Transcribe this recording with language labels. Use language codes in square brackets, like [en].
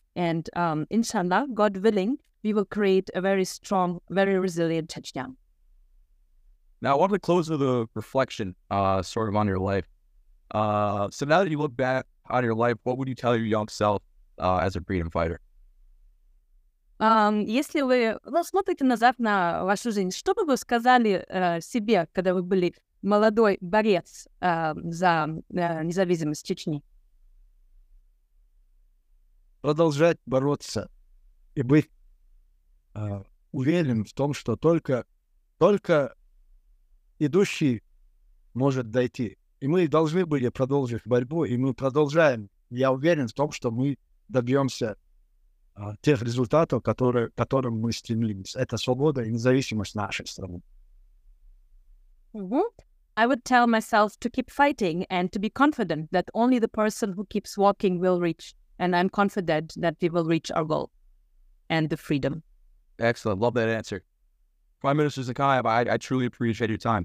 [en] And inshallah, God willing, we will create a very strong, very resilient Chechnya. Now, I want to close with a reflection sort of on your life. So now that you look back on your life, what would you tell your young self as a freedom fighter? [ru] Если вы смотрите назад на вашу жизнь, что бы вы сказали себе, когда вы были молодой борец за независимость Чечни? Продолжать бороться и быть уверенным в том, что только идущий может дойти. И мы должны были продолжить борьбу, и мы продолжаем. Я уверен в том, что мы добьемся тех результатов, которым мы стремились. Это свобода и независимость нашей страны. Mm-hmm. [en] I would tell myself to keep fighting and to be confident that only the person who keeps walking will reach. And I'm confident that we will reach our goal and the freedom. Excellent. Love that answer. Prime Minister Zakayev, I truly appreciate your time.